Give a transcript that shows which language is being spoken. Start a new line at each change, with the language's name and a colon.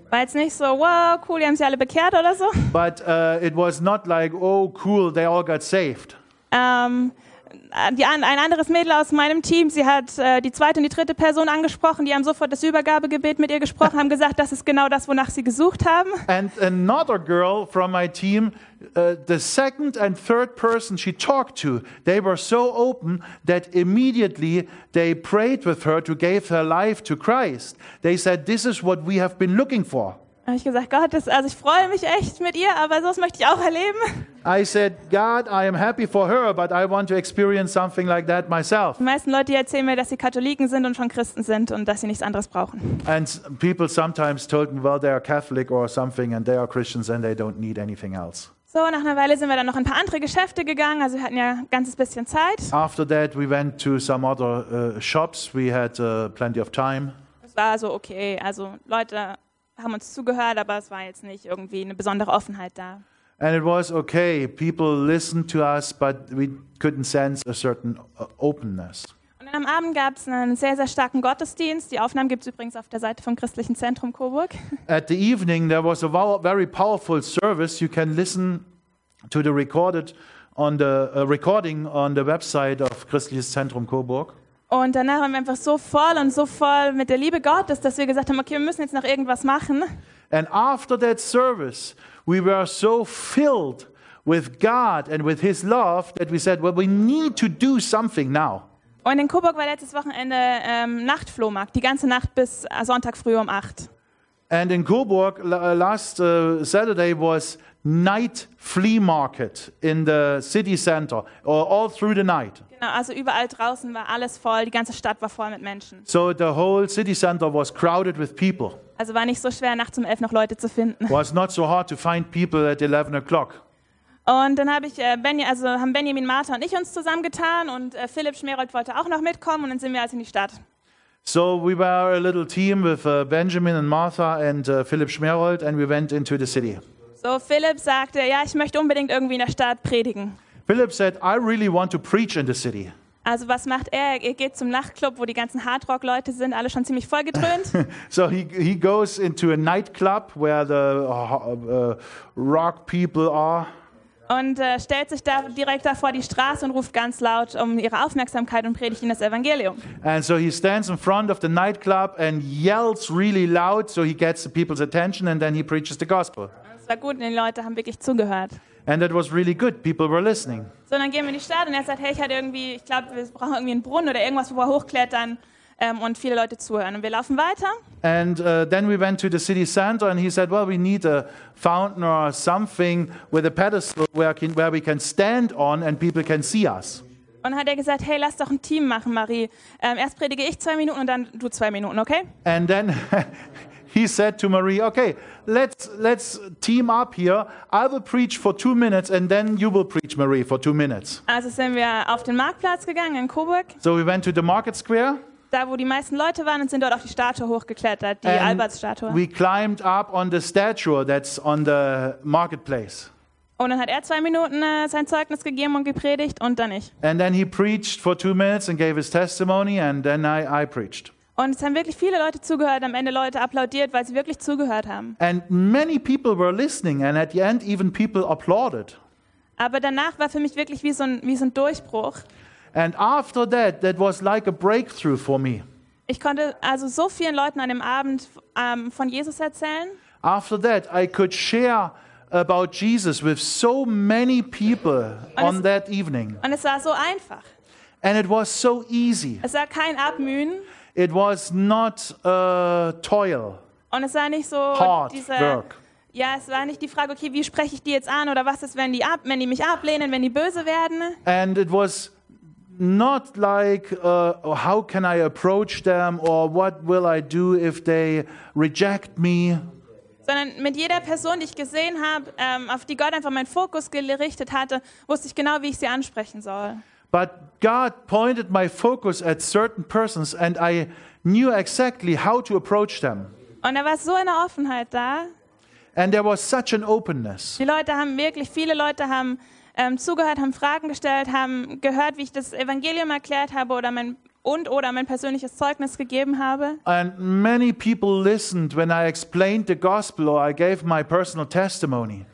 German: War jetzt nicht so, wow, cool, die haben sich alle bekehrt oder so.
English: But it was not like, oh, cool, they all got saved.
German: Ein anderes Mädel aus meinem Team, sie hat die 2. und die 3. Person angesprochen, die haben sofort das Übergabegebet mit ihr gesprochen, haben gesagt, das ist genau das, wonach sie gesucht haben.
English: And another girl from my team, the 2nd and 3rd person she talked to, they were so open that immediately they prayed with her to give her life to Christ. They said, this is what we have been looking for.
German: Habe ich gesagt, Gott, ich freue mich echt mit ihr, aber sowas möchte ich auch erleben.
English: I said, God, I am happy for her, but I want to experience something like that myself.
German: Die meisten Leute erzählen mir, dass sie Katholiken sind und schon Christen sind und dass sie nichts anderes brauchen.
English: And people sometimes told me, well, they are Catholic or something and they are Christians and they don't need anything else.
German: So, nach einer Weile sind wir dann noch ein paar andere Geschäfte gegangen, also wir hatten ja ein ganzes bisschen Zeit.
English: After that we went to some other shops, we had plenty of time.
German: Es war so okay, also Leute haben uns zugehört, aber es war jetzt nicht irgendwie eine besondere Offenheit da.
English: And it was okay. People listened to us, but we couldn't sense a certain openness.
German: Und am Abend gab es einen sehr, sehr starken Gottesdienst. Die Aufnahmen gibt es übrigens auf der Seite vom Christlichen Zentrum Coburg.
English: At the evening there was a very powerful service. You can listen to the recording on the website of Christliches Zentrum Coburg.
German: Und danach waren wir einfach so voll und so voll mit der Liebe Gottes, dass wir gesagt haben, okay, wir müssen jetzt noch irgendwas machen.
English: And after that service, we were so filled with God and with his love that we said, well, we need to do something now.
German: Und in Coburg war letztes Wochenende Nachtflohmarkt, die ganze Nacht bis Sonntag früh um 8.
English: And in Coburg last Saturday was night flea market in the city center, or all through the night.
German: Genau, also überall draußen war alles voll, die ganze Stadt war voll mit Menschen.
English: So the whole city center was crowded with people.
German: Also war nicht so schwer, nachts um 11 noch Leute zu finden.
English: Was not so hard to find people at 11 o'clock.
German: Und dann habe ich haben Benjamin, Martha und ich uns zusammengetan und Philipp Schmerold wollte auch noch mitkommen und dann sind wir also in die Stadt.
English: So we were a little team with Benjamin and Martha and Philipp Schmerold and we went into the city.
German: So Philipp sagte, ja, ich möchte unbedingt irgendwie in der Stadt predigen.
English: Philipp said, I really want to preach in the city.
German: Also was macht er? Er geht zum Nachtclub, wo die ganzen Hardrock-Leute sind, alle schon ziemlich vollgedröhnt.
English: So he goes into a nightclub where the rock people are.
German: Und stellt sich da direkt davor die Straße und ruft ganz laut um ihre Aufmerksamkeit und predigt ihnen das Evangelium.
English: And so he stands in front of the nightclub and yells really loud, so he gets the people's attention and then he preaches the gospel.
German: Das war gut, und die Leute haben wirklich zugehört.
English: And that was really good. People were listening.
German: So dann gehen wir in die Stadt und er sagt, hey, ich glaube, wir brauchen irgendwie einen Brunnen oder irgendwas, wo wir hochklettern und viele Leute zuhören. Und wir laufen weiter.
English: And then we went to the city center and he said, well, we need a fountain or something with a pedestal where we can stand on and people can see us.
German: Und hat er gesagt, hey, lass doch ein Team machen, Marie. Erst predige ich 2 Minuten und dann du 2 Minuten, okay?
English: And then he said to Marie, okay, let's team up here. I will preach for 2 minutes and then you will preach, Marie, for 2 minutes.
German: Also sind wir auf den Marktplatz gegangen in Coburg.
English: So we went to the market square.
German: Da, wo die meisten Leute waren und sind dort auf die Statue hochgeklettert, die Albertsstatue.
English: We climbed up on the statue that's on the marketplace.
German: Und dann hat er 2 Minuten sein Zeugnis gegeben und gepredigt und dann ich.
English: And then he preached for 2 minutes and gave his testimony and then I preached.
German: Und es haben wirklich viele Leute zugehört, am Ende Leute applaudiert, weil sie wirklich zugehört haben.
English: And many people were listening and at the end even people applauded.
German: Aber danach war für mich wirklich wie so ein Durchbruch.
English: And after that was like a breakthrough for me.
German: Ich konnte also so vielen Leuten an dem Abend von Jesus erzählen.
English: After that I could share about Jesus with so many people on that evening.
German: Und es war so einfach.
English: And it was so easy.
German: Es war kein Abmühen.
English: It was not a toil.
German: Und es war nicht so
English: hard
German: diese
English: work.
German: Ja, es war nicht die Frage, okay, wie spreche ich die jetzt an oder was ist, wenn die mich ablehnen, wenn die böse werden?
English: And it was not like how can I approach them or what will I do if they reject me?
German: Sondern mit jeder Person, die ich gesehen habe, auf die Gott einfach meinen Fokus gerichtet hatte, wusste ich genau, wie ich sie ansprechen soll.
English: But God pointed my focus at certain persons and I knew exactly how to approach them.
German: Und da war so eine Offenheit da.
English: And there was such an openness.
German: Viele Leute haben zugehört, haben Fragen gestellt, haben gehört, wie ich das Evangelium erklärt habe oder mein persönliches Zeugnis gegeben habe.
English: And many people listened when I explained the gospel or I gave my personal testimony.